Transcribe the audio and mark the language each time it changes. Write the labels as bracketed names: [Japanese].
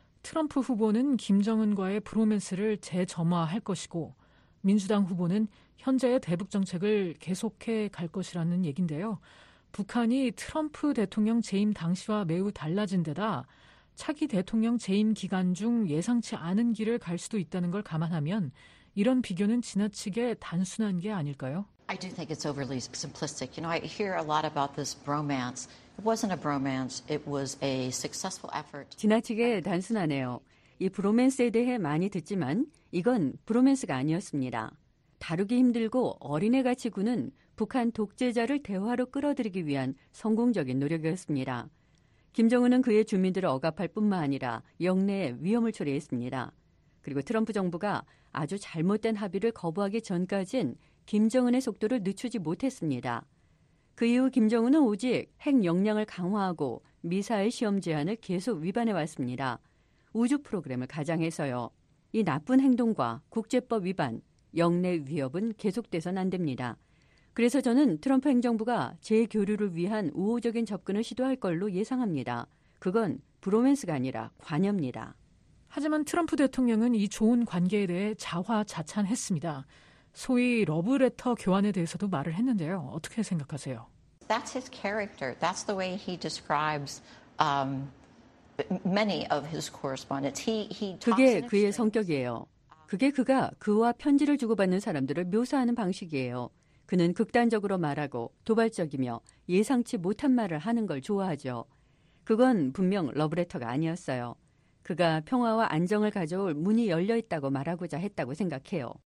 [Korean] 트럼프 후보는 김정은과의 브로맨스를 재점화할 것이고 민주당 후보는 현재의 대북 정책을 계속해 갈 것이라는 얘긴데요. 북한이 트럼프 대통령 재임 당시와 매우 달라진 데다 차기 대통령 재임 기간 중 예상치 않은 길을 갈 수도 있다는 걸 감안하면 이런 비교는 지나치게 단순한 게 아닐까요? [English] I do think it's overly simplistic. You know, I hear a lot about this bromance. It wasn't a bromance. It was a successful effort. [Korean] 지나치게 단순하네요. 이 브로맨스에 대해 많이 듣지만 이건 브로맨스가 아니었습니다. 다루기 힘들고 어린애같이 구는 북한 독재자를 대화로 끌어들이기 위한 성공적인 노력이었습니다. 김정은은 그의 주민들을 억압할 뿐만 아니라 영내에 위험을 초래했습니다. 그리고 트럼프 정부가 아주 잘못된 합의를 거부하기 전까지는 김정은의 속도를 늦추지 못했습니다. 그 이후 김정은은 오직 핵 역량을 강화하고 미사일 시험 제한을 계속 위반해왔습니다. 우주 프로그램을 가장해서요. 이 나쁜 행동과 국제법 위반, 영내 위협은 계속돼서는 안 됩니다. 그래서 저는 트럼프 행정부가 재교류를 위한 우호적인 접근을 시도할 걸로 예상합니다. 그건 브로맨스가 아니라 관여입니다. 하지만 트럼프 대통령은 이 좋은 관계에 대해 자화자찬했습니다. 소위 러브레터 교환에 대해서도 말을 했는데요. 어떻게 생각하세요? [English] That's his character. That's the way he describes many of his correspondents. He [Korean] 그게 그의 성격이에요. 그게 그가 그와 편지를 주고받는 사람들을 묘사하는 방식이에요. 그는 극단적으로 말하고 도발적이며 예상치 못한 말을 하는 걸 좋아하죠. 그건 분명 러브레터가 아니었어요. 그가 평화와 안정을 가져올 문이 열려있다고 말하고자 했다고 생각해요.